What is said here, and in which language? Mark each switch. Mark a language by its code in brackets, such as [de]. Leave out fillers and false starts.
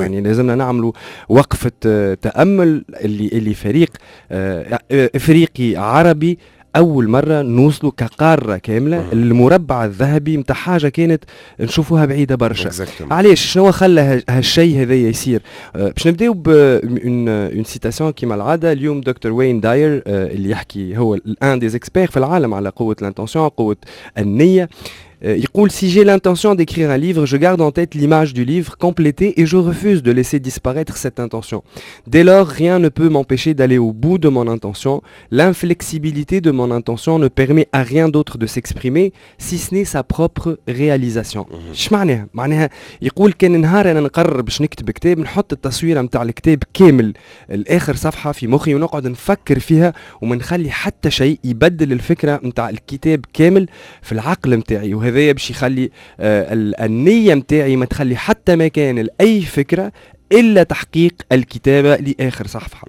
[ar] يعني لازمنا نعملوا وقفه تامل، اللي فريق افريقي عربي اول مره نوصلوا كقاره كامله للمربع الذهبي نتاع حاجه كانت نشوفوها بعيده برشا. علاش شنو خلى هالشيء هذا يصير؟ باش نبداو ب اون سيتاسيون كيما العاده. اليوم دكتور وين داير اللي يحكي، هو ان دي زيكسبير في العالم على قوه الانتونسيون، قوه النيه، يقول: [fr] si j'ai l'intention d'écrire un livre, je garde en tête l'image du livre complété et je refuse de laisser disparaître cette intention. Dès lors, rien ne peut m'empêcher d'aller au bout de mon intention. L'inflexibilité de mon intention ne permet à rien d'autre de s'exprimer, si ce n'est sa propre réalisation. [ar] معناها يقول كان نهار انا نقرر باش نكتب كتاب، نحط التصوير نتاع الكتاب كامل الاخر صفحه في مخي ونقعد نفكر فيها وما نخلي حتى شيء يبدل الفكره نتاع الكتاب كامل في العقل نتاعي. هذايا باش يخلي النية متاعي ما تخلي حتى مكان لأي فكرة إلا تحقيق الكتابة لآخر صفحة.